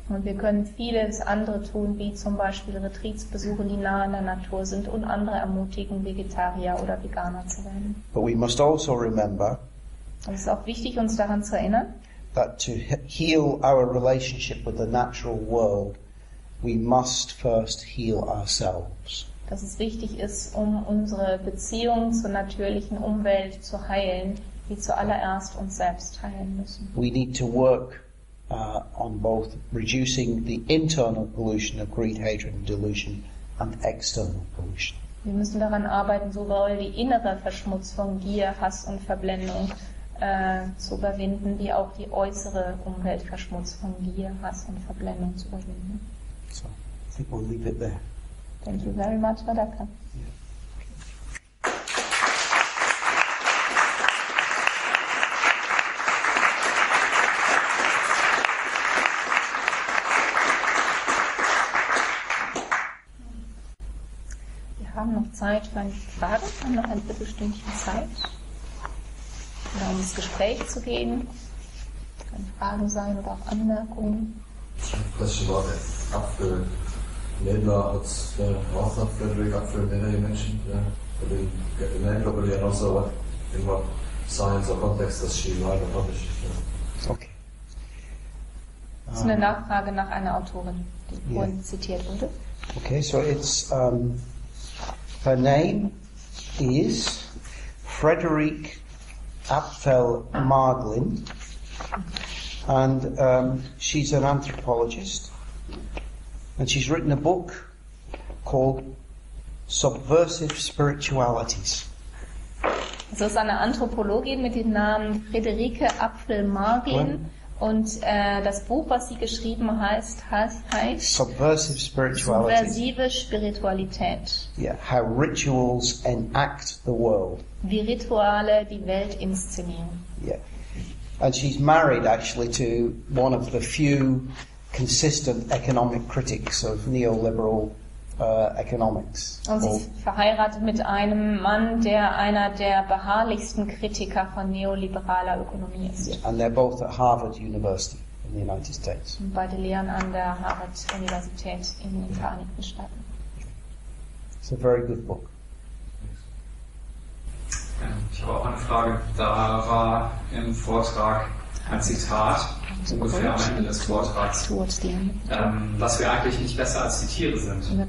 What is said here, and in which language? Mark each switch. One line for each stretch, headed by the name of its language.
German: Und wir können vieles andere tun, wie zum Beispiel Retreats besuchen, die nah an der Natur sind, und andere ermutigen, Vegetarier oder Veganer zu werden.
English: But we must also remember.
German: Und es ist auch wichtig, uns daran zu erinnern.
English: That to heal our relationship with the natural world, we must first heal ourselves.
German: Dass es wichtig ist, um unsere Beziehung zur natürlichen Umwelt zu heilen, wir zuallererst uns selbst heilen müssen.
English: We need to work on both reducing the internal pollution of greed, hatred and delusion and external pollution.
German: Wir müssen daran arbeiten, sowohl die innere Verschmutzung, Gier, Hass und Verblendung zu überwinden, wie auch die äußere Umweltverschmutzung, Gier, Hass und Verblendung zu überwinden.
English: So, I think we'll leave it there. Thank you very much, Radhika.
German: haben noch Zeit für eine Frage. Wir haben noch ein Viertelstündchen Zeit, um ins Gespräch zu gehen. Es können Fragen sein oder auch Anmerkungen. Eine Frage war der Apfel. Nädler hat auch Apfel, der Apfel, mehrere Menschen. Für den Nädler würde ich auch sagen, immer Science und Kontext, das Schiebe, habe ich. Okay. Das ist eine Nachfrage nach einer Autorin, die vorhin zitiert wurde.
English: Okay, so it's her name is Frederike Apfel-Maaglin, and she's an anthropologist, and she's written a book called Subversive Spiritualities.
German: Also ist eine Anthropologin mit dem Namen Frederike Apfel-Maaglin. Und das Buch, was sie geschrieben hat, heißt
English: Subversive Spirituality.
German: Subversive Spiritualität.
English: Yeah, how rituals enact the world.
German: Wie Rituale die Welt inszenieren.
English: Yeah. And she's married actually to one of the few consistent economic critics of neoliberal economics.
German: Und sie ist verheiratet mit einem Mann, der einer der beharrlichsten Kritiker von neoliberaler Ökonomie ist.
English: Yeah, and they're both at Harvard University in the United States.
German: Und beide lehren an der Harvard Universität in den Vereinigten Staaten.
English: It's a very good book.
German: Ich habe auch eine Frage. Da war im Vortrag ein Zitat, ungefähr am Ende des Vortrags, dass wir eigentlich nicht besser als die Tiere sind.